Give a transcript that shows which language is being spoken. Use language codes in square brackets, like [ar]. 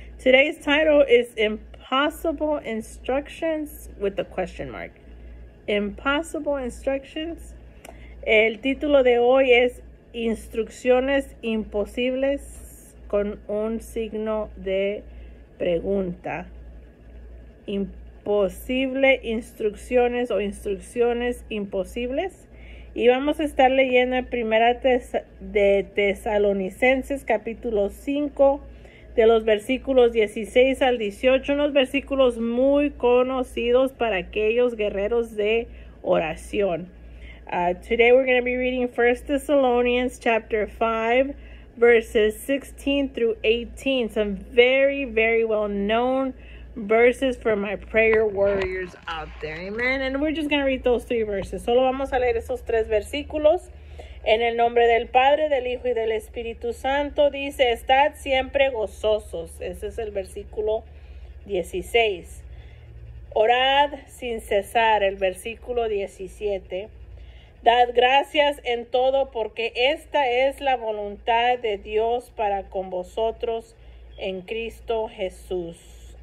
[en] Today's title is Impossible Instructions with a question mark. Impossible Instructions. [es] El título de hoy es Instrucciones Imposibles con un signo de pregunta. Imposible instrucciones o instrucciones imposibles. Y vamos a estar leyendo en Primera de Tesalonicenses, capítulo 5, de los versículos 16 al 18, unos versículos muy conocidos para aquellos guerreros de oración. [en] Today we're going to be reading 1 Thessalonians chapter 5, verses 16 through 18. Some very, very well known verses for my prayer warriors out there. Amen. And we're just going to read those three verses. [es] Solo vamos a leer esos tres versículos. En el nombre del Padre, del Hijo y del Espíritu Santo, dice, estad siempre gozosos. Ese es el versículo 16. Orad sin cesar, el versículo 17. Dad gracias en todo, porque esta es la voluntad de Dios para con vosotros en Cristo Jesús.